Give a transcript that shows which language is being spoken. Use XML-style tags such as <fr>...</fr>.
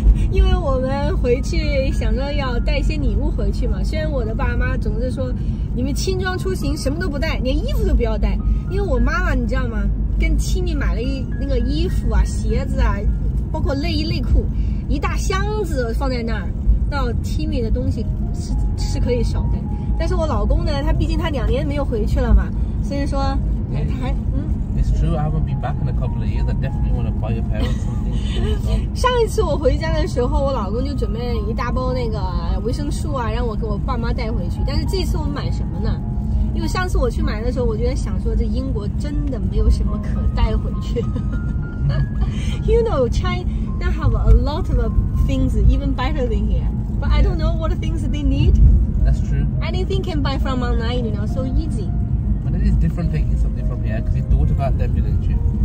<zh>因为我们回去想着要带一些礼物回去嘛，虽然我的爸妈总是说你们轻装出行什么都不带，连衣服都不要带，因为我妈妈你知道吗，跟亲密买了一那个衣服啊、鞋子啊，包括内衣内裤，一大箱子放在那儿。到亲密的东西是可以少的，但是我老公呢，他毕竟他两年没有回去了嘛，所以说他还</zh> <en>It's true, I haven't been back in a couple of years. I definitely want to buy your parents something.</en> <zh>上一次我回家的时候，我老公就准备一大包那个维生素啊，让我给我爸妈带回去。但是这次我们买什么呢？因为上次我去买的时候，我就在想说，这英国真的没有什么可带回去。</zh> <en>You know, China have a lot of things even better than here, but I don't know what things they need. That's true. Anything can buy from online, you know, so easy. But it is different taking something from here because you thought about them, didn't you?</en>